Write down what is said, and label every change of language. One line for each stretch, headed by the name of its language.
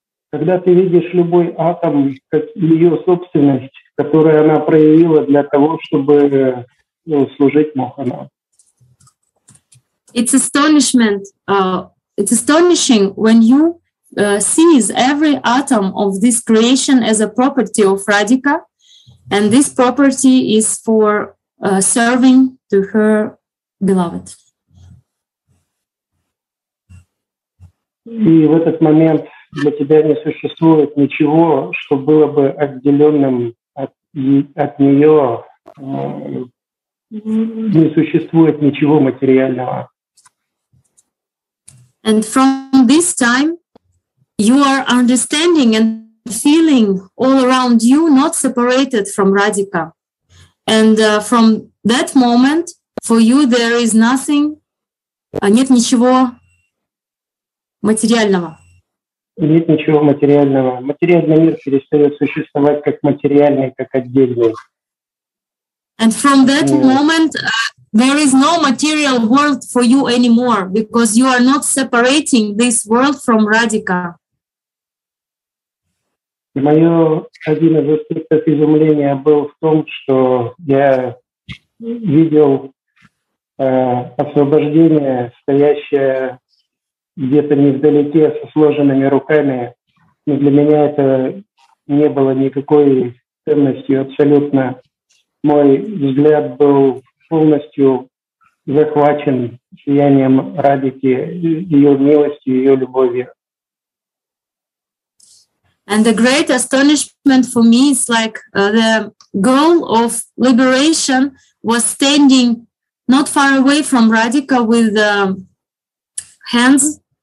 Russian: Когда ты видишь любой атом как ее собственность, которую она проявила для того, чтобы служить Мохана.
English: It's astonishment. It's astonishing when you see every atom of this creation as a property of Radhika, and this property is for serving to her beloved.
Russian: И в этот момент для тебя не существует ничего, что было бы отделенным от нее. Не существует ничего материального.
English: And from this time, you are understanding and feeling all around you not separated from Radhika. And from that moment, for you there is nothing,
Russian: нет ничего материального. Нет ничего материального. Материальный мир перестает существовать как материальный, как отдельный.
English: And from that moment, there is no material world for you anymore, because you are not separating this world from Radhika.
Russian: Мое один из аспектов изумления был в том, что я видел освобождение, стоящее где-то невдалеке со сложенными руками, но для меня это не было никакой ценностью абсолютно. Мой взгляд был полностью захвачен сиянием Радики, ее милостью, ее любовью.
English: And the great astonishment for me is like the goal of liberation was standing not far away from Radhika with hands.